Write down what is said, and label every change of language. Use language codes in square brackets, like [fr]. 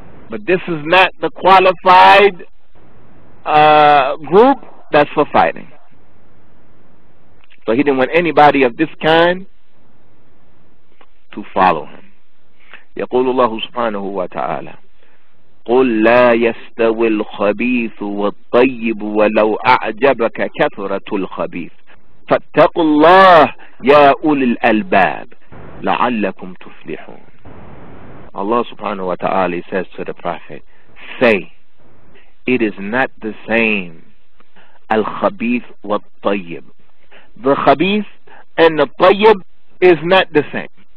[en] But this is not the qualified group that's for fighting. So he didn't want anybody of this kind to follow him. [ar] يقول الله سبحانه وتعالى قل لا يستوي الخبيث والطيب ولو أعجبك كثرة الخبيث فاتقوا الله يا أولي الألباب لعلكم تفلحون. [en] Allah [ar] سبحانه وتعالى [en] says to the Prophet, say, it is not the same [ar] الخبيث والطيب. [en] The خبيث and the طيب is not the same.